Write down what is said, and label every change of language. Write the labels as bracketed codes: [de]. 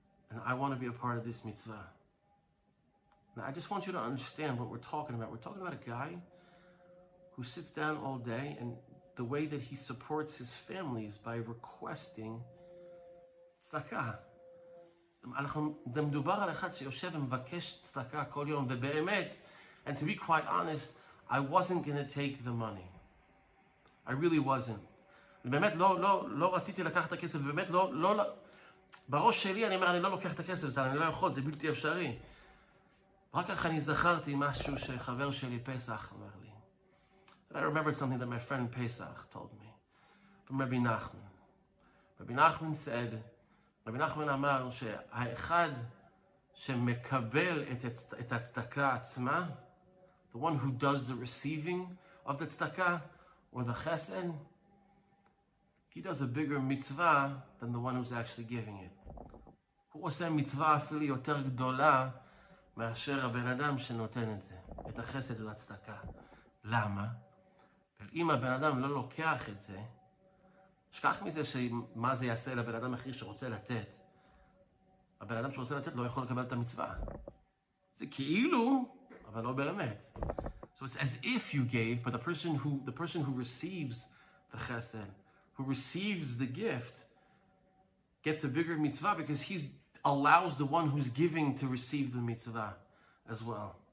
[en] And I want to be a part of this mitzvah. Now, I just want you to understand what we're talking about. We're talking about a guy who sits down all day, and the way that he supports his family is by requesting tzedakah. [he] אנחנו מדובר על אחד שיושב ומבקש tzedakah כל יום, ובאמת, [en] and to be quite honest, I wasn't going to take the money. I really wasn't. [he] באמת לא, לא, לא רציתי לקחת את הכסף, ובאמת לא, לא, בראש שלי אני אומר, אני לא לוקח את הכסף, זה אני לא יכול, זה בלתי אפשרי. רק כך אני זכרתי משהו שחבר שלי פסח אמר לי. [en] I remembered something that my friend Pesach told me from Rabbi Nachman. Rabbi Nachman said, Rabbi Nachman amar, שהאחד [he] שמקבל את את הצדקה עצמה, [en] the one who does the receiving of the tzedaka or the chesed, he does a bigger mitzvah than the one who's actually giving it. [he] הוא עושה מצווה אפילו יותר גדולה מאשר הבן אדם שנותן את זה, את החסד והצדקה. למה? אם הבן אדם לא לוקח את זה, שכח מזה שמה זה יעשה לבן אדם אחר שרוצה לתת. הבן אדם שרוצה לתת לא יכול לקבל את המצווה. זה כאילו, אבל לא באמת. [en] So it's as if you gave, but the person who receives the chesed, who receives the gift, gets a bigger mitzvah because he allows the one who's giving to receive the mitzvah as well.